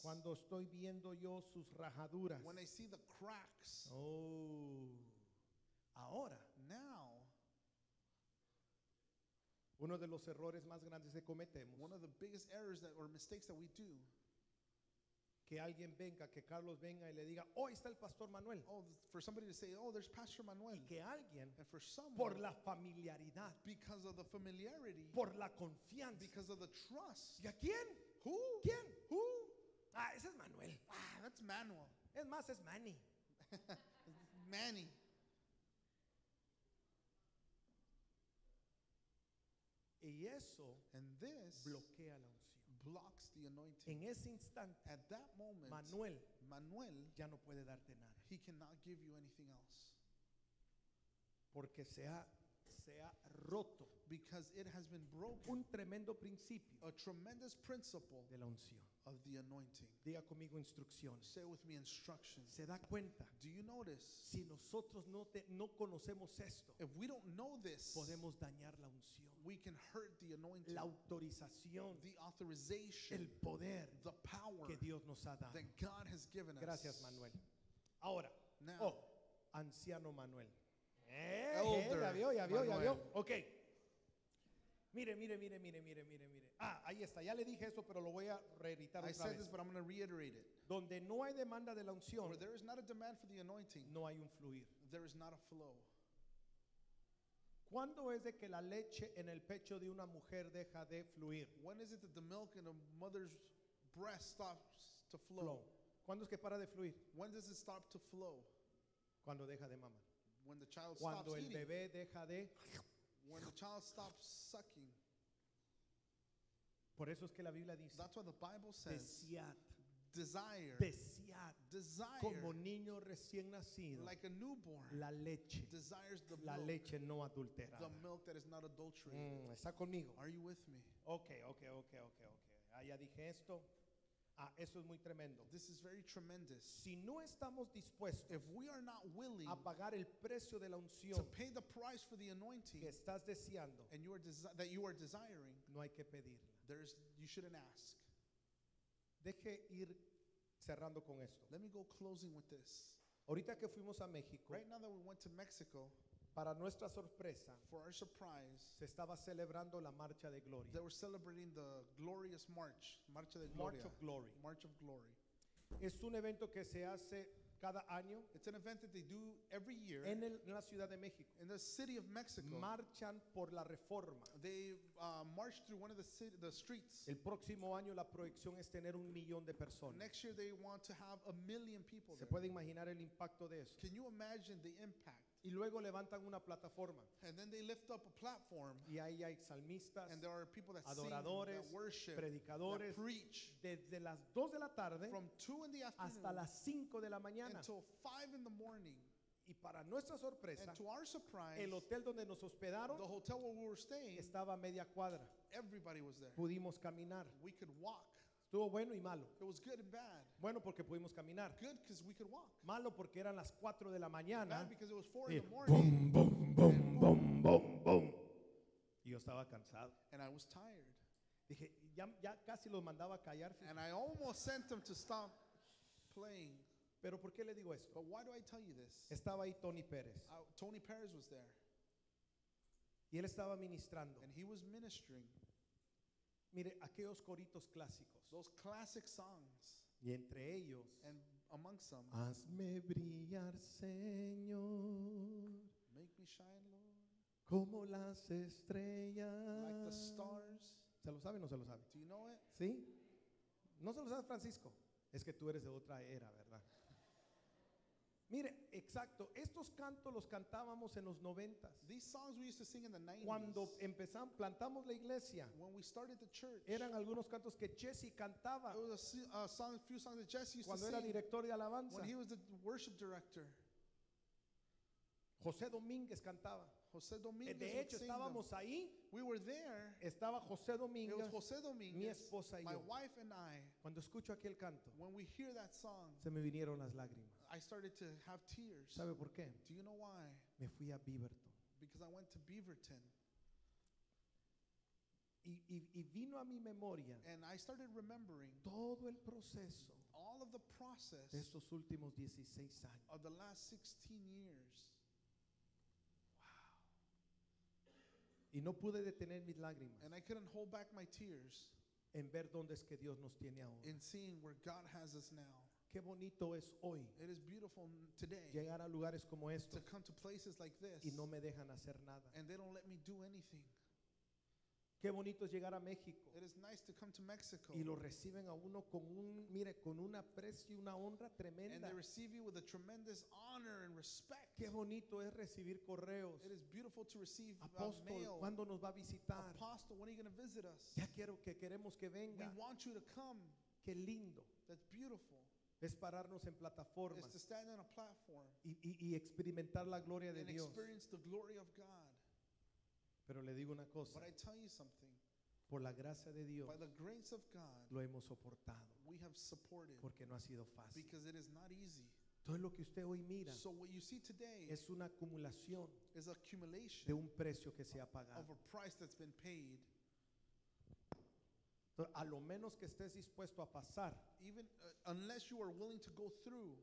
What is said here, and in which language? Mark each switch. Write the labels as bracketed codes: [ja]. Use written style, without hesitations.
[es] Cuando estoy viendo yo sus rajaduras. [en] When I see the cracks. [es] Oh. Ahora. [en] Now. [es] Uno de los errores más grandes que cometemos. [en] One of the biggest errors that, or mistakes that we do. [es] Que alguien venga, que Carlos venga y le diga, oh, está el Pastor Manuel. [en] Oh, for somebody to say, oh, there's Pastor Manuel. [es] Y que alguien, [en] and for someone, [es] por la familiaridad. [en] Because of the familiarity. [es] Por la confianza. [en] Because of the trust. [es] ¿Y a quién? [en] Who? [es] ¿Quién? [en] Who? [es] Ah, ese es Manuel. [en] Ah, that's Manuel. [es] Es más, es Manny. [en] Manny. [es] Y eso, [en] and this, [es] bloquea la unción. [en] Blocks the anointing. [es] En ese instante, [en] at that moment, [es] Manuel ya no puede darte nada. [en] He cannot give you anything else. [es] Porque se ha roto. [en] Because it has been broken. [es] Un tremendo principio. [en] A tremendous principle [es] de la unción. [en] Of the anointing. [es] Diga conmigo instrucción. [en] Say with me instructions. [es] ¿Se da cuenta? [en] Do you notice? [es] Si nosotros no conocemos esto, [en] if we don't know this, [es] podemos dañar la unción. [en] We can hurt the anointing. [es] La autorización. [en] The authorization. [es] El poder. [en] The power. [es] Que Dios nos ha dado. [en] That God has given us. [es] Gracias, Manuel. Ahora. [en] Now, [es] oh, anciano Manuel. [en] Elder. [es] Ya vio. Okay. Mire. Ah, ahí está. Ya le dije eso, pero lo voy a reeditar otra vez. [en] I said this, but I'm going to reiterate it. [es] Donde no hay demanda de la unción, [en] where there is not a demand for the anointing, [es] no hay un fluir. [en] There is not a flow. [es] ¿Cuándo es de que la leche en el pecho de una mujer deja de fluir? [en] When is it that the milk in a mother's breast stops to flow? [es] ¿Cuándo es que para de fluir? [en] When does it stop to flow? [es] Cuando deja de mamar. [en] When the child [es] cuando [en] stops [es] el [en] eating. [es] Bebé deja de [en] when the child stops sucking. [es] Por eso es que la Biblia dice, [en] that's what the Bible says. [es] Desead. [en] Desire. [es] Desead. [en] Desire. [es] Como niño recién nacido, [en] like a newborn. [es] La leche. [en] Desires the [es] la [en] milk. [es] La leche no adulterada. [en] The milk that is not adultery. [es] Está conmigo. [en] Are you with me? [es] Okay. Ah, ya dije esto. Ah, eso es muy tremendo. [en] This is very tremendous. [es] Si no estamos dispuestos, [en] if we are not willing, [es] a pagar el precio de la unción, [en] to pay the price for the anointing, [es] que estás deseando, [en] and you are that you are desiring, [es] no hay que pedirla. [en] There's, you shouldn't ask. [es] Deje ir cerrando con esto. [en] Let me go closing with this. [es] Ahorita que fuimos a México, [en] right now that we went to Mexico, [es] para nuestra sorpresa, [en] for our surprise, [es] se estaba celebrando la marcha de gloria. [en] They were celebrating the glorious march, [es] marcha de [en] march [es] gloria, [en] of glory. March of glory. [es] Es un evento que se hace cada año. [en] It's an event that they do every year [es] en la Ciudad de México. [en] In the city of Mexico. [es] Marchan por la Reforma. [en] They march through one of the streets. [es] El próximo año la proyección es tener 1,000,000 de personas. [en] Next year they want to have 1,000,000 people. [es] ¿Se [en] there. [es] Puede imaginar el impacto de eso? [en] Can you imagine the impact? [es] Y luego levantan una plataforma. [en] And then they lift up a platform. [es] Y ahí hay salmistas, [en] and there are people that [es] adoradores, [en] sing, that worship, [es] predicadores, [en] that preach. [es] Desde las 2 de la tarde [en] from 2 in the afternoon [es] hasta las 5 de la mañana. [en] Until 5 in the morning. [es] Y para nuestra sorpresa, [en] and to our surprise, [es] el hotel donde nos hospedaron, [en] the hotel where we were staying, [es] estaba a media cuadra. [en] Everybody was there. [es] Pudimos caminar. [en] We could walk. [es] Estuvo bueno y malo. [en] It was good and bad. [es] Bueno porque pudimos caminar. [en] Good because we could walk. [es] Malo porque eran las 4 de la mañana. [en] Bad because it was 4 [es] y [en] in the morning. Boom, boom, boom, boom, boom, boom. [es] Y yo estaba cansado. [en] And I was tired. [es] Dije, ya casi los mandaba a callar. [en] And I almost sent them to stop playing. [es] Pero ¿por qué le digo esto? [en] But why do I tell you this? [es] Estaba ahí Tony Pérez. [en] Tony Pérez was there. [es] Y él estaba ministrando. [en] And he was ministering. [es] Mire, aquellos coritos clásicos. [en] Those classic songs. [es] Y entre ellos. [en] And amongst them. [es] Hazme brillar, Señor. [en] Make me shine, Lord. [es] Como las estrellas. [en] Like the stars. [es] ¿Se lo sabe o no se lo sabe? [en] Do you know it? [es] ¿Sí? ¿No se lo sabe, Francisco? Es que tú eres de otra era, ¿verdad? Mire, exacto, estos cantos los cantábamos en los 90s. [en] These songs we used to sing in the 90s. [es] Cuando empezamos, plantamos la iglesia. [en] When we started the church. [es] Eran algunos cantos que Jesse cantaba. [en] It was a few songs that Jesse used to sing. [es] Cuando era director de alabanza. [en] When he was the worship director. [es] José Domínguez cantaba. [en] José Domínguez. [es] De hecho, estábamos [en] them. [es] Ahí. [en] We were there. [es] Estaba José Domínguez. [en] It was José Domínguez. [es] Mi esposa y [en] my [es] yo. [en] My wife and I. [es] Cuando escucho aquel canto. [en] When we hear that song. [es] Se me vinieron las lágrimas. [en] I started to have tears. [es] ¿Sabe por qué? [en] Do you know why? [es] Me fui a Beaverton. [en] Because I went to Beaverton. [es] Y vino a mi memoria. [en] And I started remembering [es] todo el proceso. [en] All of the process. [es] De estos últimos 16 años. [en] Of the last 16 years. [es] Wow. Y no pude detener mis lágrimas. [en] And I couldn't hold back my tears. [es] En ver dónde es que Dios nos tiene ahora. [en] In seeing where God has us now. [es] Qué bonito es hoy. [en] It is beautiful today. [es] Llegar a lugares como estos. [en] To come to places like this. [es] Y no me dejan hacer nada. [en] And they don't let me do anything. [es] Qué bonito es llegar a México. [en] It is nice to come to Mexico. [es] Y lo reciben a uno con un, mire, con un aprecio y una honra tremenda. [en] And they receive you with a tremendous honor and respect. [es] Qué bonito es recibir correos. [en] It is beautiful to receive Apostle, mail. [es] ¿Cuándo nos va a visitar? [en] Apostle, when are you going to visit us? [es] Ya quiero que queremos que venga. [en] We want you to come. [es] Qué lindo. [en] That's beautiful. [es] Es pararnos en plataformas. [en] It's to stand on a platform. [es] Y experimentar la gloria de Dios. [en] And experience the glory of God. [es] Pero le digo una cosa. [en] But I tell you something. [es] Por la gracia de Dios. [en] By the grace of God. [es] Lo hemos soportado. [en] We have supported. [es] Porque no ha sido fácil. [en] Because it is not easy. [es] Todo lo que usted hoy mira. [en] So what you see today. [es] Es una acumulación. [en] Is accumulation. [es] De un precio que se ha pagado. [en] Of a price that's been paid. [es] A lo menos que estés dispuesto a pasar. [en] Even unless you are willing to go through.